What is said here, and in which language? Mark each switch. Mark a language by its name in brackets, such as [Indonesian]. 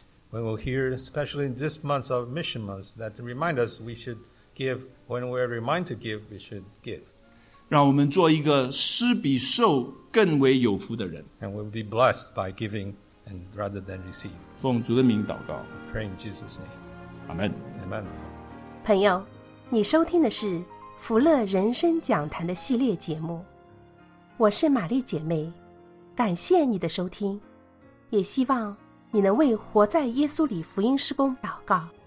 [English] We will hear, especially in this month of Mission Month, that remind us we should. Give when we are reminded to give, we should give. [Chinese] 让我们做一个施比受更为有福的人。 [English] And we'll be blessed by giving and rather than receive. [Chinese] 奉主的名祷告。 [English] Pray in Jesus' name. Amen. Amen. [Chinese] 朋友，你收听的是福乐人生讲坛的系列节目。我是玛丽姐妹，感谢你的收听，也希望你能为活在耶稣里福音事工祷告。